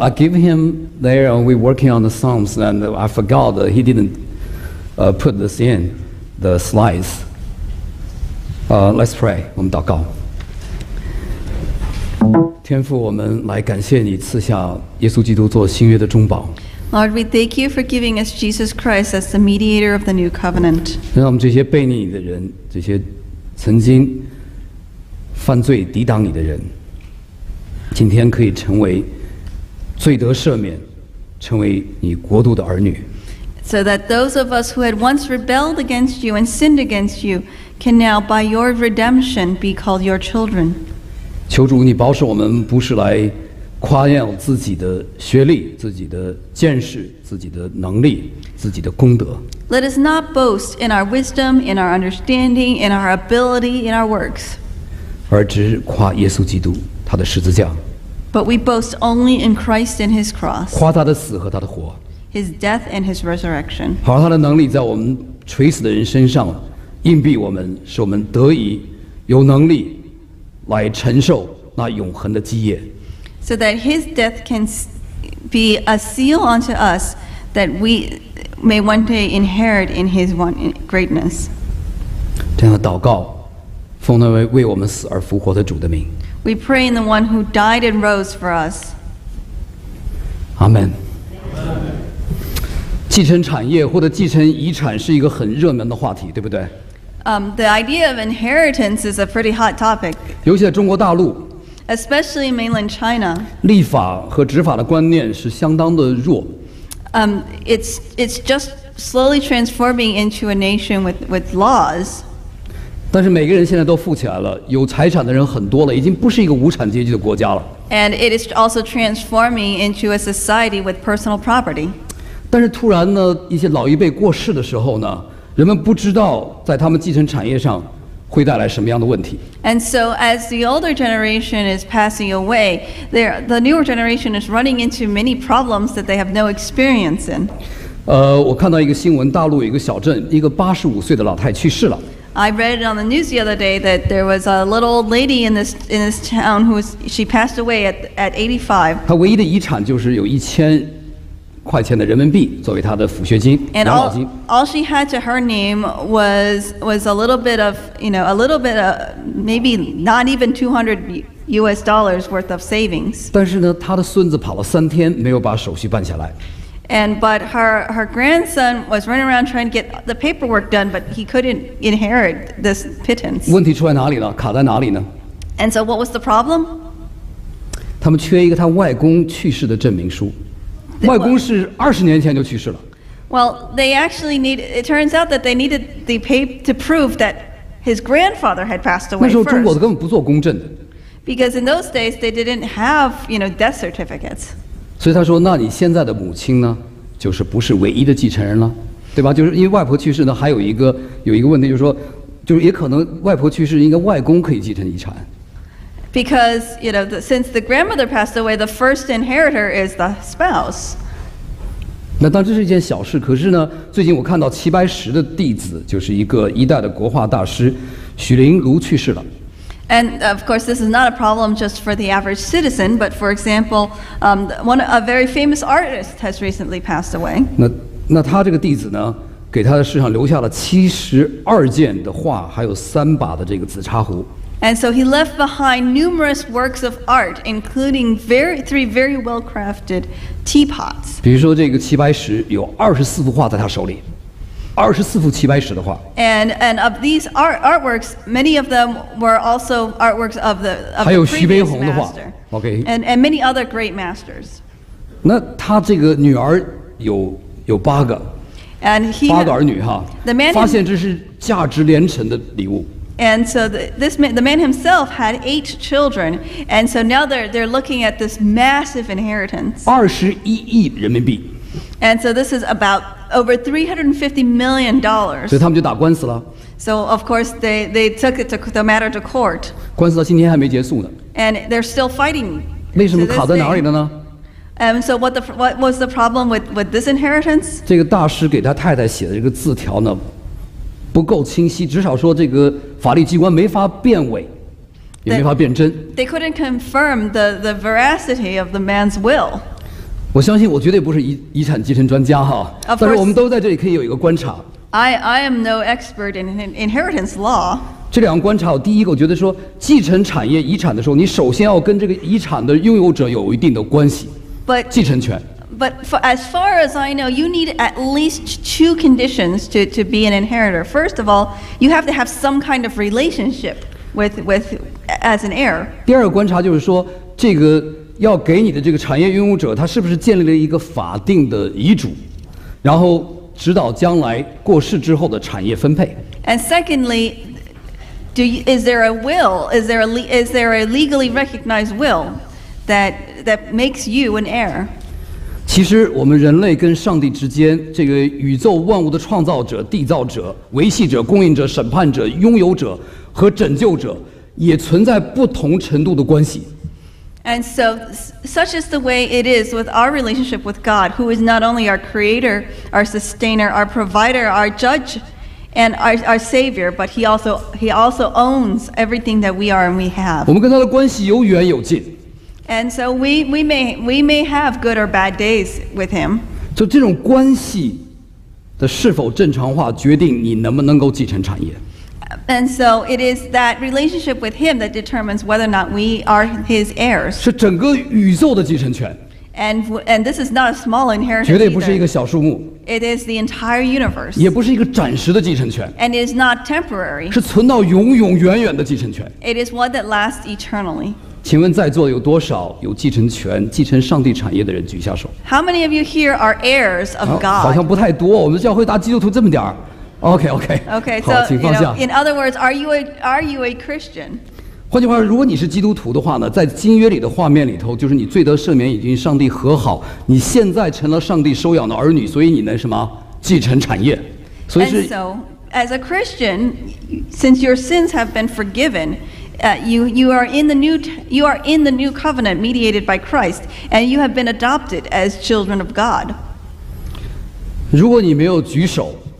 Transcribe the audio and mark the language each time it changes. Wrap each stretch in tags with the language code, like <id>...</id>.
<en>I gave him there, and we're working on the Psalms, and I forgot that he didn't put this in the slides. Let's pray.</en> <zh>我们祷告。天父，我们来感谢你赐下耶稣基督做新约的中保。</zh> <en>Lord, we thank you for giving us Jesus Christ as the mediator of the new covenant.</en> <zh>让我们这些悖逆的人，这些曾经犯罪抵挡你的人，今天可以成为罪得赦免，成为你国度的儿女。</zh> <en>So that those of us who had once rebelled against you and sinned against you can now, by your redemption, be called your children.</en> <zh>求主你保守我们，不是来夸耀自己的学历、自己的见识、自己的能力、自己的功德。</zh> <en>Let us not boast in our wisdom, in our understanding, in our ability, in our works.</en> <zh>而只夸耶稣基督他的十字架。</zh> <en>But we boast only in Christ and His cross.</en> <zh>夸他的死和他的活。</zh> <en>His death and His resurrection.</en> <zh>好，他的能力在我们垂死的人身上硬币我们，使我们得以有能力来承受那永恒的基业。</zh> <en>So that His death can be a seal unto us that we may one day inherit in His greatness.</en> <zh>这样的祷告，奉那位为我们死而复活的主的名。</zh> <en>We pray in the one who died and rose for us. Amen.</en> <zh>继承产业或者继承遗产是一个很热门的话题，对不对？</zh> <en>The idea of inheritance is a pretty hot topic.</en> <zh>尤其在中国大陆。</zh> <en>Especially in mainland China.</en> <zh>立法和执法的观念是相当的弱。</zh> <en>It's just slowly transforming into a nation with laws.</en> <zh>但是每个人现在都富起来了，有财产的人很多了，已经不是一个无产阶级的国家了。</zh> <en>And it is also transforming into a society with personal property.</en> <zh>但是突然呢，一些老一辈过世的时候呢，人们不知道在他们继承产业上会带来什么样的问题。</zh> <en>And so as the older generation is passing away, the newer generation is running into many problems that they have no experience in.</en> <zh>我看到一个新闻，大陆有一个小镇，一个85岁的老太去世了。</zh> <en>I read on the news the other day that there was a little old lady in this town who was, she passed away at 85.</en> <zh>她唯一的遗产就是有1000块钱的人民币作为她的抚恤金、养老金。</zh> <en>All she had to her name was a little bit of, you know, a little bit of maybe not even $200 worth of savings.</en> <zh>但是呢，她的孙子跑了3天没有把手续办下来。</zh> <en>And but her grandson was running around trying to get the paperwork done, but he couldn't inherit this pittance.</en> <zh>问题出在哪里了？卡在哪里呢</zh> <en>？And so what was the problem?</en> <zh>他们缺一个他外公去世的证明书。外公是20年前就去世了。</zh> <en>Well, they actually need. It turns out that they needed the paper to prove that his grandfather had passed away first.</en> <zh>那时候中国根本不做公证的。</zh> <en>Because in those days they didn't have, you know, death certificates.</en> <zh>所以他说：“那你现在的母亲呢，就是不是唯一的继承人了，对吧？就是因为外婆去世呢，还有一个问题，就是说，就是也可能外婆去世，应该外公可以继承遗产。</zh> <en>Because you know, the, since the grandmother passed away, the first inheritor is the spouse.</en> <zh>那当这是一件小事，可是呢，最近我看到齐白石的弟子，就是一个一代的国画大师，许林庐去世了。</zh> <en>And of course, this is not a problem just for the average citizen, but for example, a very famous artist has recently passed away.</en> <zh>那他这个弟子呢，给他的世上留下了72件的画，还有3把的这个紫砂壶。</zh> <en>And so he left behind numerous works of art, including three very well-crafted teapots.</en> <zh>比如说这个齐白石有24幅画在他手里。 24幅齐白石的画</zh> <en>and of these artworks, many of them were also artworks of the previous master.</en> <zh>还有徐悲鸿的画 ，OK.</zh> <en>And many other great masters.</en> <zh>那他这个女儿有8个</zh> <en>，and he</en> <zh>8个儿女哈。</zh> <en>The man</en> <zh>发现这是价值连城的礼物。</zh> <en>And so the man himself had 8 children, and so now they're looking at this massive inheritance.</en> <zh>21亿人民币。</zh> <en>And so this is about over $350 million.</en> <zh>所以他们就打官司了。</zh> <en>So of course they took it to the matter to court.</en> <zh>官司到今天还没结束呢。</zh> <en>And they're still fighting.</en> <zh>为什么卡在哪里了呢？</zh> <en>And so what was the problem with this inheritance?</en> <zh>这个大师给他太太写的这个字条呢，不够清晰，至少说这个法律机关没法辨伪，也没法辨真。</zh> <en>They couldn't confirm the veracity of the man's will.</en> <zh>我相信我绝对不是遗产继承专家哈，</zh> <en>course,</en> <zh>但是我们都在这里可以有一个观察。</zh> <en>I am no expert in inheritance law.</en> <zh>这两个观察，我第一个我觉得说，继承产业遗产的时候，你首先要跟这个遗产的拥有者有一定的关系，</zh> <en>but,</en> <zh>继承权。</zh> <en>But for, as far as I know, you need at least 2 conditions to be an inheritor. First of all, you have to have some kind of relationship with as an heir.</en> <zh>第二个观察就是说，这个要给你的这个产业拥有者，他是不是建立了一个法定的遗嘱，然后指导将来过世之后的产业分配。</zh> <en>And secondly, is there a will? Is there a legally recognized will that makes you an heir?</en> <zh>其实我们人类跟上帝之间，这个宇宙万物的创造者、缔造者、维系者、供应者、审判者、拥有者和拯救者，也存在不同程度的关系。</zh> <en>And so, such is the way it is with our relationship with God, who is not only our creator, our sustainer, our provider, our judge, and our savior, but he also owns everything that we are and we have.</en> <zh>我们跟他的关系有远有近。</zh> <en>And so we may have good or bad days with him.</en> <zh>就这种关系的是否正常化，决定你能不能够继承产业。</zh> <en>And so it is that relationship with him that determines whether or not we are his heirs.</en> <zh>是整个宇宙的继承权。</zh> <en>And this is not a small inheritance.</en> <zh>绝对不是一个小数目。</zh> <en>It is the entire universe.</en> <zh>也不是一个暂时的继承权。</zh> <en>And it is not temporary.</en> <zh>是存到永永远远的继承权。</zh> <en>It is one that lasts eternally.</en> <zh>请问在座有多少有继承权、继承上帝产业的人举下手</zh> <en>？How many of you here are heirs of God？</en> <zh>好像不太多，我们教会大基督徒这么点儿。</zh> <en>OK，OK。 OK，</en> <zh>好，请放下。</zh> <en>In other words, are you a Christian？</en> <zh>换句话说，如果你是基督徒的话呢，在新约里的画面里头，就是你罪得赦免，已经上帝和好，你现在成了上帝收养的儿女，所以你能什么继承产业？所以是。</zh> <en>And so, as a Christian, since your sins have been forgiven. You are in the new covenant mediated by Christ, and you have been adopted as children of God.</en> <zh>如果你没有举手</zh>